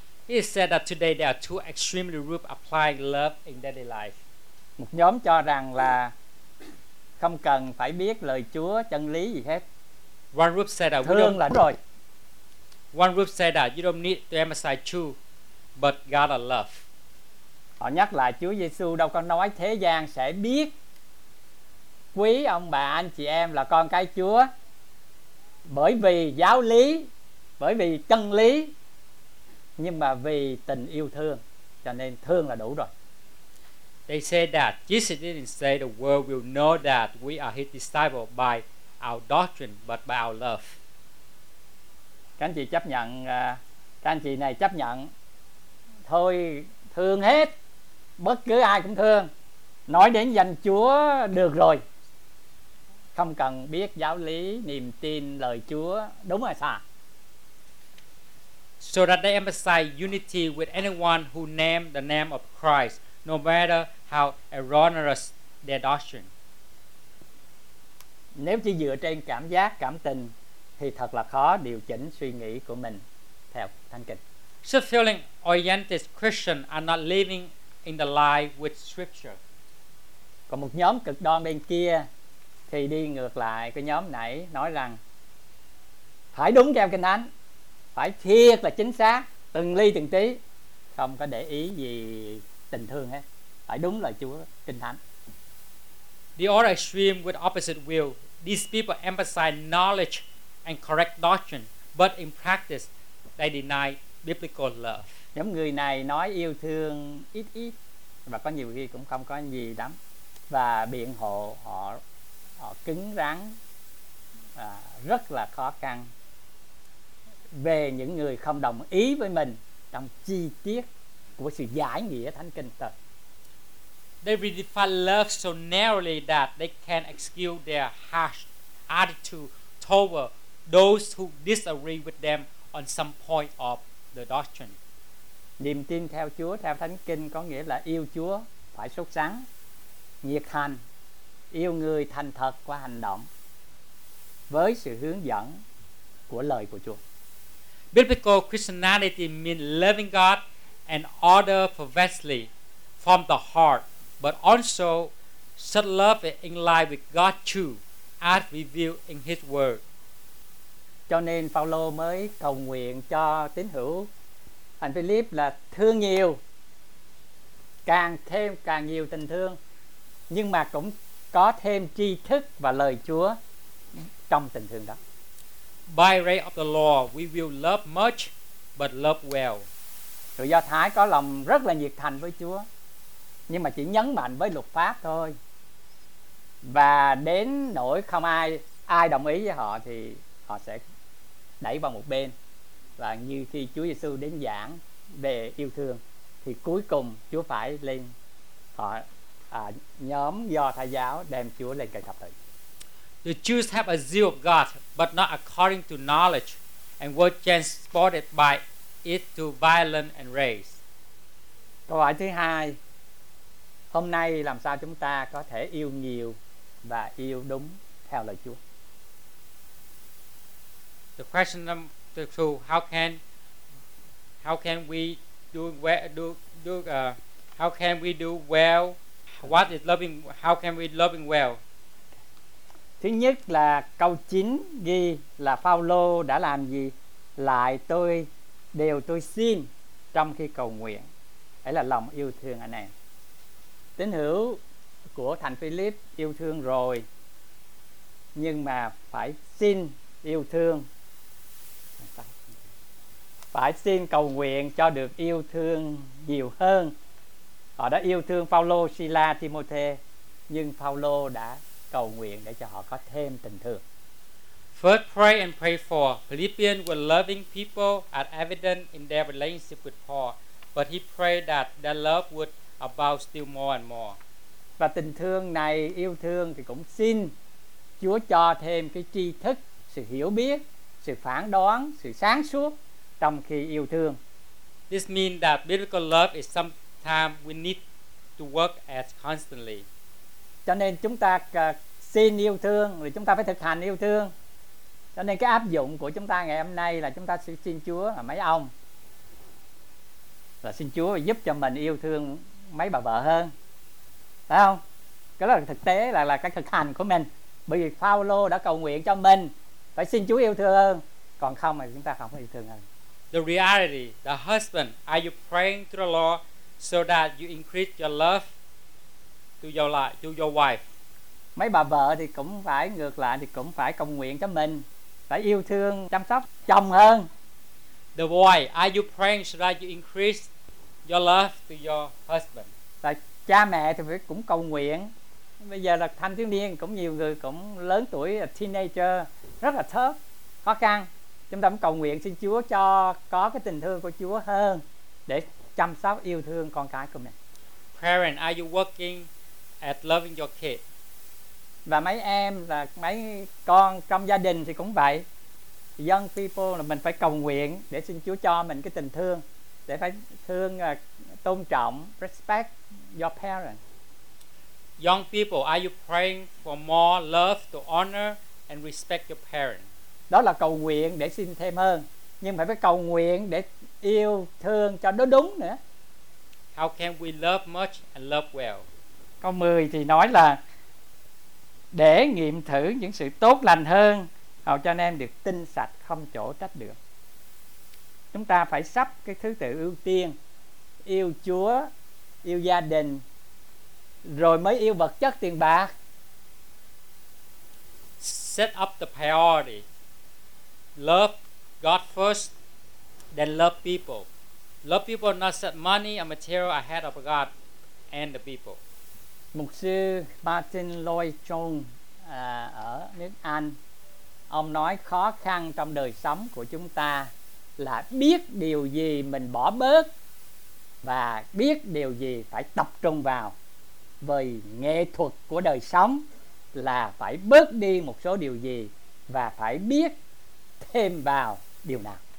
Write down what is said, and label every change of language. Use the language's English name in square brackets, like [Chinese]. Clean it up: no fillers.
[English] He said that today there are two extremely groups applying love in daily life. [Vietnamese] Một nhóm cho rằng là không cần phải biết lời Chúa chân lý gì hết. [English] One group said that [Vietnamese] thương là đúng rồi. [English] One group said that you don't need to emphasize truth, but God is love. [Vietnamese] Họ nhắc lại Chúa Giêsu đâu có nói thế gian sẽ biết quý ông bà anh chị em là con cái Chúa bởi vì giáo lý, bởi vì chân lý, nhưng mà vì tình yêu thương, cho nên thương là đủ rồi. [English] They say that Jesus didn't say the world will know that we are his disciples by our doctrine, but by our love. [Vietnamese] Các anh chị chấp nhận, các anh chị này chấp nhận thôi, thương hết, bất cứ ai cũng thương, nói đến danh Chúa được rồi, không cần biết giáo lý, niềm tin, lời Chúa, đúng hay sai. [English] So that they emphasize unity with anyone who name the name of Christ, no matter how erroneous their doctrine. [Vietnamese] Nếu chỉ dựa trên cảm giác, cảm tình thì thật là khó điều chỉnh suy nghĩ của mình theo Thánh Kinh. [English] So feeling oriented Christian are not living in the light with Scripture. [Vietnamese] Còn một nhóm cực đoan bên kia thì đi ngược lại cái nhóm nãy, nói rằng phải đúng theo Kinh Thánh, phải thiệt là chính xác, từng ly từng tí, không có để ý gì tình thương hết, phải đúng lời Chúa Kinh Thánh. [English] The other extreme with opposite view, these people emphasize knowledge and correct doctrine, but in practice they deny biblical love. [Vietnamese] Nhóm người này nói yêu thương ít ít và có nhiều khi cũng không có gì lắm, và biện hộ họ họ cứng rắn, rất là khó khăn về những người không đồng ý với mình trong chi tiết của sự giải nghĩa Thánh Kinh thật. [English] They redefine love so narrowly that they can excuse their harsh attitude toward those who disagree with them on some point of the doctrine. [Vietnamese] Niềm tin theo Chúa, theo Thánh Kinh có nghĩa là yêu Chúa phải sốt sắng, nhiệt thành, yêu người thành thật qua hành động với sự hướng dẫn của lời của Chúa. [English] Biblical Christianity means loving God and other perfectly from the heart, but also set love in line with God too, as revealed in His Word. [Vietnamese] Cho nên Phaolô mới cầu nguyện cho tín hữu thành Philip là thương nhiều, càng thêm càng nhiều tình thương, nhưng mà cũng có thêm tri thức và lời Chúa trong tình thương đó. [English] By grace of the Lord, we will love much, but love well. [Vietnamese] Người Do Thái có lòng rất là nhiệt thành với Chúa, nhưng mà chỉ nhấn mạnh với luật pháp thôi. Và đến nỗi không ai ai đồng ý với họ thì họ sẽ đẩy vào một bên. Và như khi Chúa Giêsu đến giảng về yêu thương, thì cuối cùng Chúa phải lên họ nhóm Do Thái giáo đem Chúa lên cây thập tự. [English] The Jews have a zeal of God, but not according to knowledge, and were transported by it to violence and rage. [Vietnamese] Câu hỏi thứ hai, hôm nay làm sao chúng ta có thể yêu nhiều và yêu đúng theo lời Chúa? [English] The question number two, how can we do well? What is loving? How can we loving well? [Vietnamese] Thứ nhất là câu 9 ghi là Phaolô đã làm gì? Lại tôi đều tôi xin trong khi cầu nguyện. Đấy là lòng yêu thương anh em. Tín hữu của thành Philip yêu thương rồi, nhưng mà phải xin yêu thương, phải xin cầu nguyện cho được yêu thương nhiều hơn. Họ đã yêu thương Phaolô, Sila, Timôthê, nhưng Phaolô đã cầu nguyện để cho họ có thêm tình thương. [English] First, pray and pray for. Philippians were loving people as evident in their relationship with Paul, but he prayed that their love would abound still more and more. [Vietnamese] Và tình thương này, yêu thương thì cũng xin Chúa cho thêm cái tri thức, sự hiểu biết, sự phán đoán, sự sáng suốt trong khi yêu thương. [English] This means that biblical love is something time we need to work as constantly. [Vietnamese] Cho nên chúng ta xin yêu thương rồi chúng ta phải thực hành yêu thương. Cho nên cái áp dụng của chúng ta ngày hôm nay là chúng ta xin Chúa là mấy ông là xin Chúa giúp cho mình yêu thương mấy bà vợ hơn, phải không? Cái đó là thực tế, là cái thực hành của mình. Bởi vì Phao-lô đã cầu nguyện cho mình phải xin Chúa yêu thương hơn, còn không thì chúng ta không có yêu thương hơn. [English] The reality, the husband, are you praying to the Lord so that you increase your love to your life, to your wife? [Vietnamese] Mấy bà vợ thì cũng phải ngược lại, thì cũng phải cầu nguyện cho mình phải yêu thương chăm sóc chồng hơn. [English] The wife, are you praying so that you increase your love to your husband? [Vietnamese] Tại cha mẹ thì phải cũng cầu nguyện. Bây giờ là thanh thiếu niên, cũng nhiều người cũng lớn tuổi, là [English] teenager, [Vietnamese] rất là [English] tough, [Vietnamese] khó khăn. Chúng ta cũng cầu nguyện xin Chúa cho có cái tình thương của Chúa hơn để chăm sóc yêu thương con cái của mình. [English] Parent, are you working at loving your kid? [Vietnamese] Và mấy em là mấy con trong gia đình thì cũng vậy. [English] Young people [Vietnamese] là mình phải cầu nguyện để xin Chúa cho mình cái tình thương, để phải thương, tôn trọng, [English] respect your parents. Young people, are you praying for more love to honor and respect your parents? [Vietnamese] Đó là cầu nguyện để xin thêm hơn, nhưng phải cầu nguyện để yêu thương cho nó đúng nữa. [English] How can we love much and love well? [Vietnamese] Câu 10 thì nói là để nghiệm thử những sự tốt lành hơn, hầu cho anh em được tinh sạch không chỗ trách được. Chúng ta phải sắp cái thứ tự ưu tiên, yêu Chúa, yêu gia đình, rồi mới yêu vật chất tiền bạc. [English] Set up the priority. Love God first, then love people. Love people not set money or material ahead of God and the people. [Vietnamese] Mục sư Martin Lloyd-Jones ở nước Anh, ông nói khó khăn trong đời sống của chúng ta là biết điều gì mình bỏ bớt và biết điều gì phải tập trung vào. Vì nghệ thuật của đời sống là phải bớt đi một số điều gì và phải biết thêm vào điều nào.